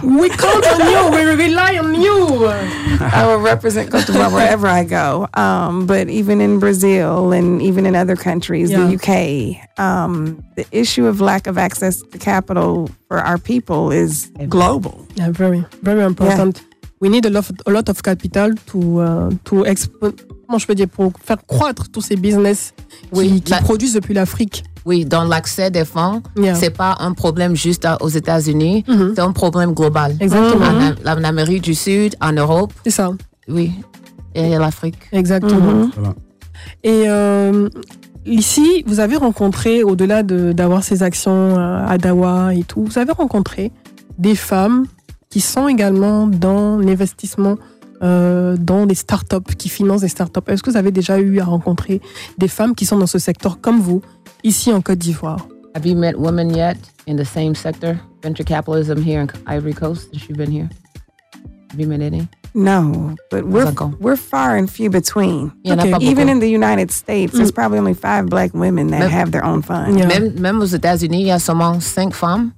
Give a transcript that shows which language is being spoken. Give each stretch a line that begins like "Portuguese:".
English: We count on you. We rely on you. I will represent Côte d'Ivoire wherever I go. But even in Brazil and even in other countries, yeah. The UK, the issue of lack of access to capital for our people is global. Yeah, very, very important. Yeah. We need a lot of capital
French: pour faire croître tous ces business qui produisent depuis l'Afrique. Oui, dans l'accès des fonds, c'est pas un problème juste aux États-Unis, c'est un problème global. Exactement. En Amérique du Sud, en Europe. C'est ça. Oui, et l'Afrique. Exactement. Mm-hmm. Et ici, vous avez rencontré, au-delà d'avoir ces actions à Dawa et tout, vous avez rencontré des femmes qui sont également dans l'investissement, dans des startups, qui financent des startups. Est-ce que vous avez déjà eu à rencontrer des femmes qui sont dans ce secteur comme vous, ici en Côte d'Ivoire?
English: Have you met women yet in the same sector, venture capitalism here in Ivory Coast, since you've been here? Have you met any? No, but we're far and few between. Okay. Even in the United States, there's probably only 5 black women that have their own fund. Yeah.
French: Même aux États-Unis, il y a seulement 5 femmes.